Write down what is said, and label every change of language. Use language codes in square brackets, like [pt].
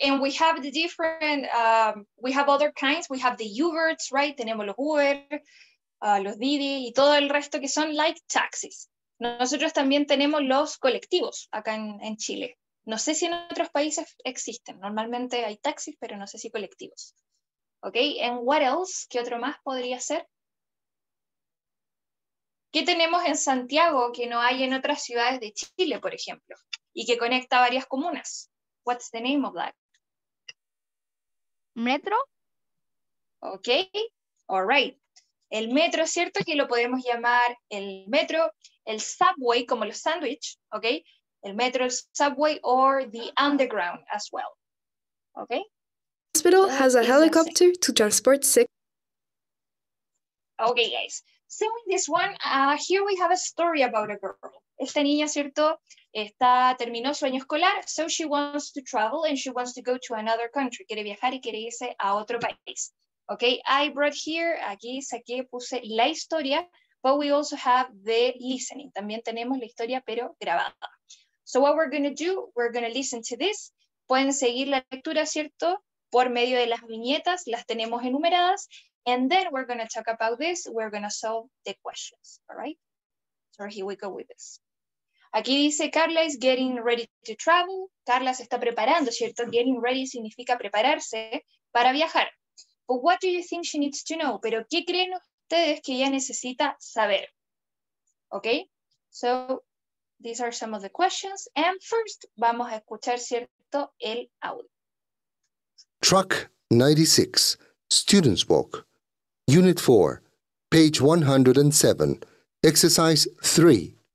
[en] And we have the different, we have other kinds. We have the Uberts, right? [es] Tenemos los Uber, los Didi y todo el resto que son like taxis. Nosotros también tenemos los colectivos acá en Chile. No sé si en otros países existen. Normalmente hay taxis, pero no sé si colectivos. [en] Okay, and what else? [es] ¿Qué otro más podría ser? ¿Qué tenemos en Santiago que no hay en otras ciudades de Chile, por ejemplo? Y que conecta varias comunas. [en] What's the name of that? [es] Metro. Okay, all right. El metro, ¿cierto? Que lo podemos llamar el metro, el subway, como los sandwich, okay? El metro, [en] el subway, or the underground as well, okay? The hospital has a helicopter to transport sick. Okay, guys. So in this one, here we have a story about a girl. [es] Esta niña, ¿cierto? Está, terminó su año escolar, [en] so she wants to travel and she wants to go to another country. [es] Quiere viajar y quiere irse a otro país. [en] Okay, I brought here, [es] aquí saqué, puse la historia, [en] but we also have the listening. [es] También tenemos la historia, pero grabada. [en] So what we're going to do, we're going to listen to this. [es] Pueden seguir la lectura, ¿cierto? Por medio de las viñetas, las tenemos enumeradas. [en] And then we're going to talk about this. We're going to solve the questions, all right? So here we go with this. [es] Aquí dice, [en] Carla is getting ready to travel. [es] Carla se está preparando, ¿cierto? [en] Getting ready [es] significa prepararse para viajar. [en] But what do you think she needs to know? [es] Pero ¿qué creen ustedes que ella necesita saber? [en] Okay, so these are some of the questions. And first, [es] vamos a escuchar, ¿cierto? El audio. [en] Truck 96, Students Book, Unit 4, page 107, Exercise 3.